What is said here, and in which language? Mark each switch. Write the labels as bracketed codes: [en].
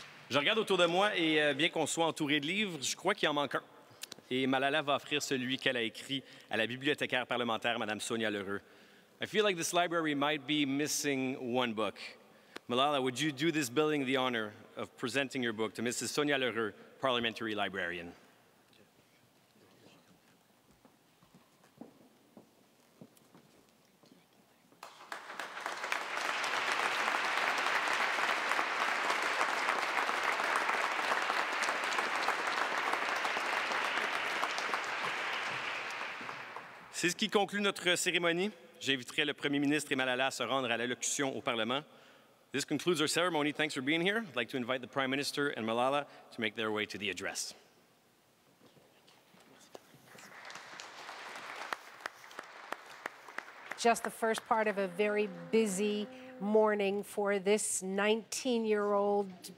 [fr] Je regarde autour de moi et bien qu'on soit entouré de livres, je crois qu'il en manque un. Et Malala va offrir celui qu'elle a écrit à la bibliothécaire parlementaire, Madame Sonia Lheureux. [en] I feel like this library might be missing one book. Malala, would you do this building the honor of presenting your book to Mrs. Sonia Lheureux, parliamentary librarian? [fr] C'est ce qui conclut notre cérémonie. J'inviterai le Premier ministre et Malala à se rendre à l'allocution au Parlement. [en] This concludes our ceremony. Thanks for being here. I'd like to invite the Prime Minister and Malala to make their way to the address. Just the first part of a very busy morning for this 19-year-old